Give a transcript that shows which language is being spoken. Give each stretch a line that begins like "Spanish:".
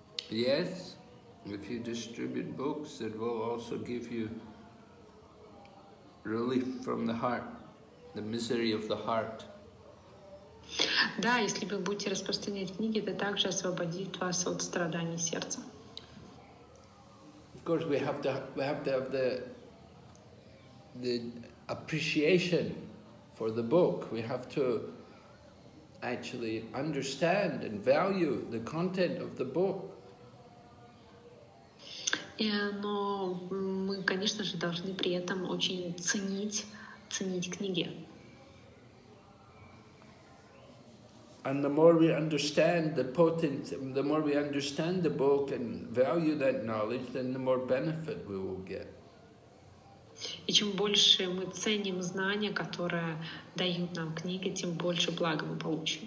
English: Yes, if you distribute books, it will also give you relief from the heart, the misery of the heart.
Russian: Да, если вы будете распространять книги, это также освободит вас от страданий сердца.
English: Of course, we have to have the appreciation for the book. We have to actually understand and value the content of the book.
Russian: Но мы, конечно же, должны при этом очень ценить книги.
English: And the more we understand the potent, the more we understand the book and value that knowledge, then the more benefit we will get.
Russian: И чем больше мы ценим знания, которые дают нам книги, тем больше блага мы получим.